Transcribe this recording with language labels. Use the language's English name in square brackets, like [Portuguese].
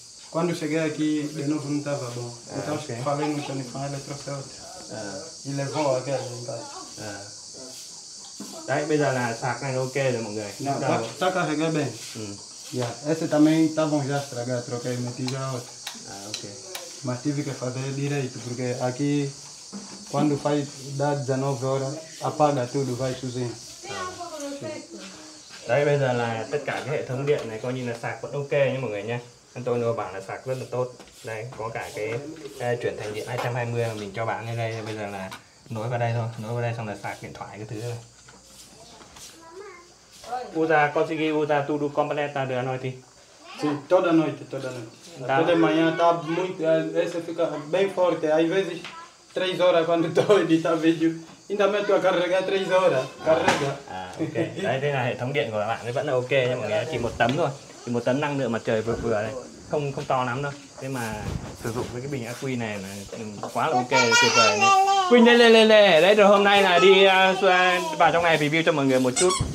[Portuguese] Quando cheguei aqui, de novo não estava bom. Então falei no telefone, ele trouxe outro. E levou aquele em casa. [Vietnamese] Daí, bây giờ là sạc này ok rồi mọi người. [Portuguese] Não, tá carregando bem. Esse também estavam já estragados, troquei, meti já outro. Ah, ok. Mas tive que fazer direito, porque aqui, quando faz, dá 19 horas, apaga tudo, vai sozinho. [Vietnamese] Daí, bây giờ là tất cả cái hệ thống điện này coi như là sạc vẫn ok nha mọi người nha. Antonio bảo là sạc rất là tốt. Đây, có cả cái chuyển thành điện 220 mà mình cho bạn lên đây. Bây giờ là nối vào đây thôi, nối vào đây xong là sạc điện thoại cái thứ thôi. [Portuguese] Usa, consegui usar tudo completo de noite? Sim, toda noite, toda noite. Tá. Toda manhã tá muito, essa fica bem forte. Às vezes, 3 horas quando estou editando vídeo, ainda meto a carregar 3 horas. Carrega. Ok. [Vietnamese] Đấy, đây là hệ thống điện của bạn, vẫn là ok nha mọi người. Chỉ một tấm thôi. Chỉ một tấm năng lượng mặt trời vừa vừa đây. Không to lắm đâu. Thế mà sử dụng với cái bình ắc quy này là quá là ok, tuyệt vời. Quy lên lên lên lên. Đấy, rồi hôm nay là đi vào trong này review cho mọi người một chút.